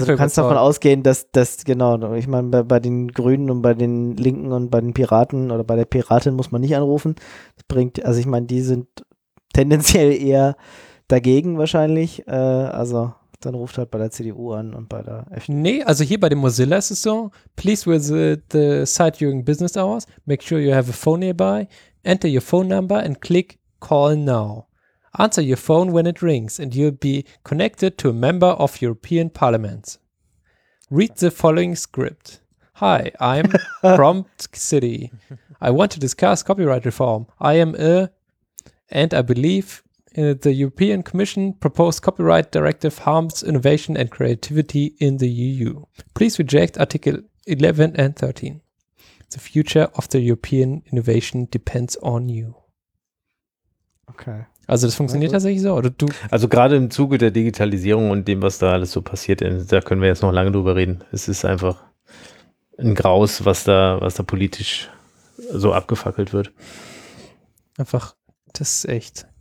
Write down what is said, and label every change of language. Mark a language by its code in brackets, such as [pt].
[de] also Fall. Du kannst davon ausgehen, dass genau, ich meine, bei den Grünen und bei den Linken und bei den Piraten oder bei der Piratin muss man nicht anrufen. Das bringt, also ich meine, die sind tendenziell eher dagegen wahrscheinlich. Also dann ruft halt bei der CDU an und bei der FDP. Nee, also hier bei dem Mozilla ist es so: [en] Please visit the site during business hours. Make sure you have a phone nearby. Enter your phone number and click call now. Answer your phone when it rings and you'll be connected to a member of European Parliament. Read the following script. Hi, I'm Prompt City. I want to discuss copyright reform. I am a... And I believe the European Commission proposed copyright directive harms innovation and creativity in the EU. Please reject Article 11 and 13. The future of the European innovation depends on you. Okay. [de] Also das funktioniert tatsächlich so? Oder du? Also gerade im Zuge der Digitalisierung und dem, was da alles so passiert, da können wir jetzt noch lange drüber reden. Es ist einfach ein Graus, was da politisch so abgefackelt wird. Einfach, das ist echt.